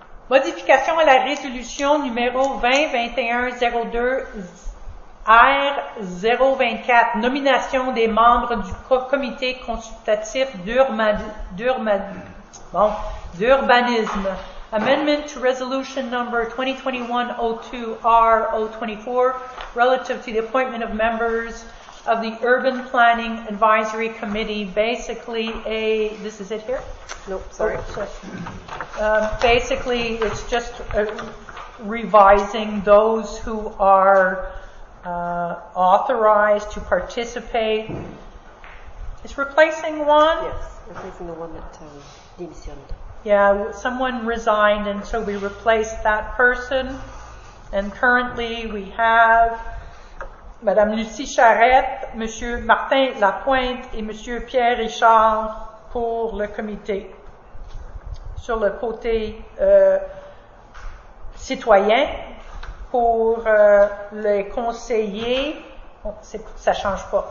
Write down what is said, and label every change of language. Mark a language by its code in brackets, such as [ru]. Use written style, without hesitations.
[fr] Modification à la résolution numéro 2021-02-R024, nomination des membres du comité consultatif d'urbanisme. [en] Amendment to resolution number 2021-02-R024 relative to the appointment of members of the Urban Planning Advisory Committee, basically a... This is it here? Nope, sorry. Basically, it's just revising those who are authorized to participate. It's replacing one? Yes, replacing the one that demissioned. Yeah, someone resigned, and so we replaced that person. And currently, we have... [fr] Madame Lucie Charette, Monsieur Martin Lapointe et Monsieur Pierre Richard pour le comité sur le côté citoyen pour les conseillers. Ça change pas.